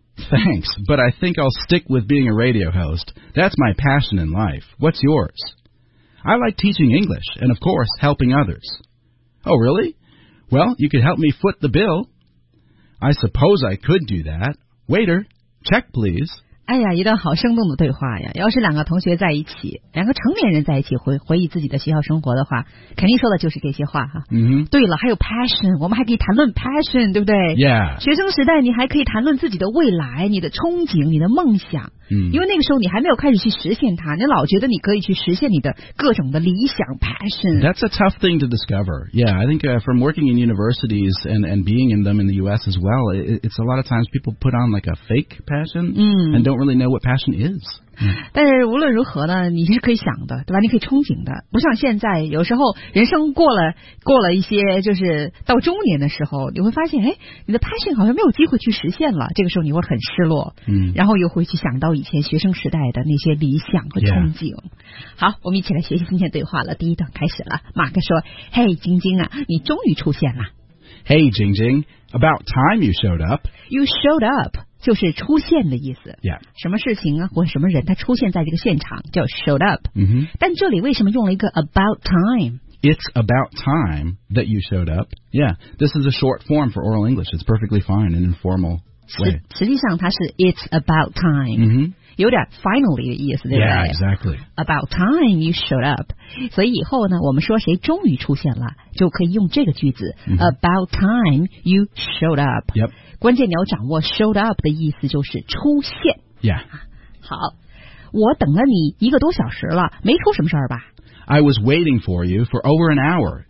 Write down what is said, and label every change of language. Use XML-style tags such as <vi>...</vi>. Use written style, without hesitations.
<en>Thanks, but I think I'll stick with being a radio host. That's my passion in life. What's yours? I like teaching English and, of course, helping others. Oh, really? Well, you could help me foot the bill. I suppose I could do that. Waiter, check, please.</en> <zh>哎呀，一段好生动的对话呀！要是两个同学在一起，两个成年人在一起回忆自己的学校生活的话，肯定说的就是这些话哈。嗯哼。对了，还有 passion， 我们还可以谈论 passion， 对不对</zh> <en>？Yeah。</en> <zh>学生时代，你还可以谈论自己的未来、你的憧憬、你的梦想。嗯。因为那个时候你还没有开始去实现它，你老觉得你可以去实现你的各种的理想 passion。</zh> <en>That's a tough thing to discover. Yeah, I think from working in universities and being in them in the U.S. as well, it's a lot of times people put on like a fake passion. 嗯。 And don't really know what passion is.</en> <zh>但是无论如何呢，你是可以想的，对吧？你可以憧憬的，不像现在，有时候人生过了一些，就是到中年的时候，你会发现，哎，你的 passion 好像没有机会去实现了。这个时候你会很失落，嗯，然后又会去想到以前学生时代的那些理想和憧憬。</zh> <en>Yeah.</en> <zh>好，我们一起来学习今天对话了。第一段开始了，马克说：“嘿，晶晶啊，你终于出现了。</zh> <en>”Hey, Jing Jing, about time you showed up. You showed up.</en> <zh>就是出现的意思、</zh> <en>yeah.</en> <zh>什么事情啊或什么人他出现在这个现场叫 showed up、 mm-hmm. 但这里为什么用了一个 about time</zh> <en>It's about time that you showed up Yeah, this is a short form for oral English It's perfectly fine in an informal way</en> <zh>实际上它是</zh> <en>it's about time、 mm-hmm.</en> <zh>有点 finally 的意思对不对</zh> <en>Yeah, exactly About time you showed up</en> <zh>所以以后呢我们说谁终于出现了就可以用这个句子、 mm-hmm.</zh> <en>About time you showed up Yep</en> <zh>关键你要掌握 showed up 的意思就是出现。</zh> <en>Yeah.</en> <zh>好，我等了你一个多小时了，没出什么事儿吧</zh> <en>？I was waiting for you for over an hour.</en>